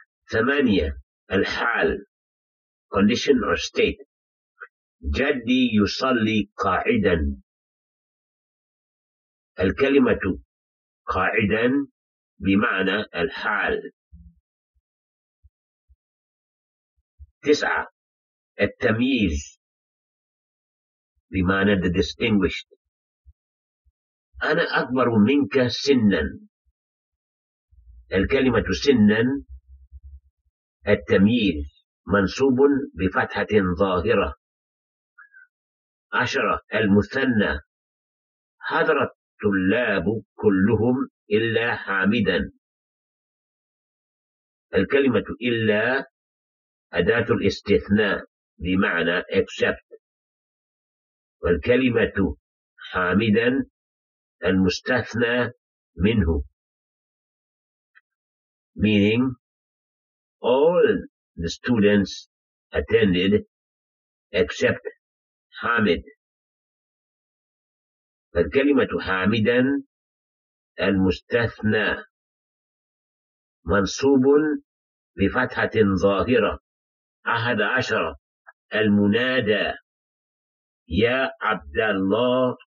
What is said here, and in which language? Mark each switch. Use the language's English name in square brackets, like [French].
[Arabic] ثمانية الحال [English] condition or state. [Arabic] جدي يصلي قاعدا. الكلمة قاعدا بمعنى الحال. تسعة التمييز بمعنى [English] the distinguished. [Arabic] أنا أكبر منك سنا. الكلمة سنا التمييز منصوب بفتحة ظاهرة. عشرة المثنى حضر الطلاب كلهم إلا حامدا. الكلمة إلا أداة الاستثناء بمعنى except. والكلمة حامدا المستثنى منه [English] meaning all the students attended except حامد. [Arabic] فالكلمة حامدا المستثنى منصوب بفتحة ظاهرة. أحد عشر المنادى يا عبد الله.